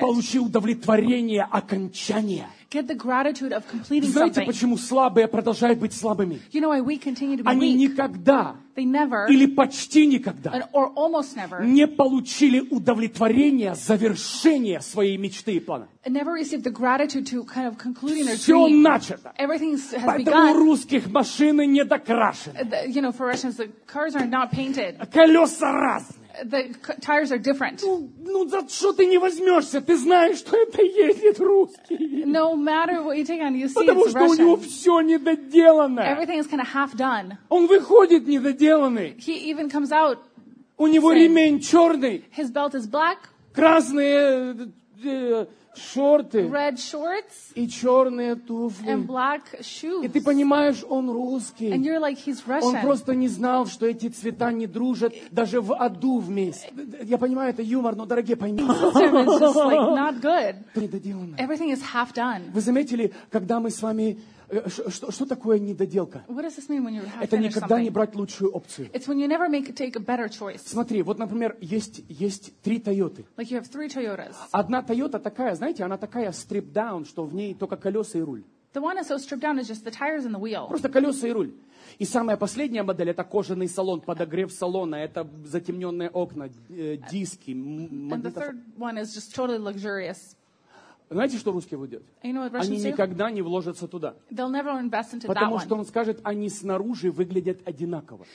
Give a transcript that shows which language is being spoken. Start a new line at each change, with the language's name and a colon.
Russian: Получи удовлетворение окончания.
English: Get the gratitude of completing
Russian: знаете,
English: something.
Russian: Почему слабые продолжают быть слабыми?
English: You know why we continue to be
Russian: они
English: weak?
Russian: Никогда
English: they never,
Russian: или почти никогда
English: and, or almost never,
Russian: не получили удовлетворение завершения своей мечты и плана.
English: Never received the gratitude to kind of concluding their
Russian: все
English: dream.
Russian: Все начато.
English: Everything has
Russian: поэтому
English: begun.
Russian: Поэтому русских машины не докрашены.
English: You know, for Russians, the cars are not painted.
Russian: Колеса разные.
English: The tires are different.
Russian: Ну за что ты не возьмешься? Ты знаешь, что это едет русский.
English: No matter what you take on, you see
Russian: потому
English: it's Russian.
Russian: Потому что у него все недоделано.
English: Everything is kind of half done.
Russian: Он выходит недоделанный.
English: He even comes out.
Russian: У него
English: saying,
Russian: ремень черный.
English: His belt is black.
Russian: Красные шорты.
English: Red shorts.
Russian: И черные туфли.
English: And black shoes.
Russian: И ты понимаешь, он русский.
English: And you're like, he's Russian.
Russian: Он просто не знал, что эти цвета не дружат даже в аду вместе. Я понимаю, это юмор, но, дорогие, пойми.
English: It's just like not good.
Russian: Недоделано.
English: Everything is half done.
Russian: Вы заметили, когда мы с вами что такое недоделка?
English: What does this mean when you're half
Russian: это никогда
English: something?
Russian: Не брать лучшую опцию.
English: It's when you never take a better choice.
Russian: Смотри, вот, например, есть три Тойоты.
English: Like you have three Toyotas.
Russian: Одна Тойота такая, знаете, она такая
English: stripped down,
Russian: что в ней только колеса и руль.
English: The one is so stripped down is just the tires and the wheel.
Russian: Просто колеса и руль. И самая последняя модель это кожаный салон, подогрев салона, это затемненные окна, диски, магнитофон.
English: And the third one is just totally luxurious.
Russian: Знаете, что русские будут делать? Они никогда не вложатся туда. Потому что он скажет, они снаружи выглядят одинаково.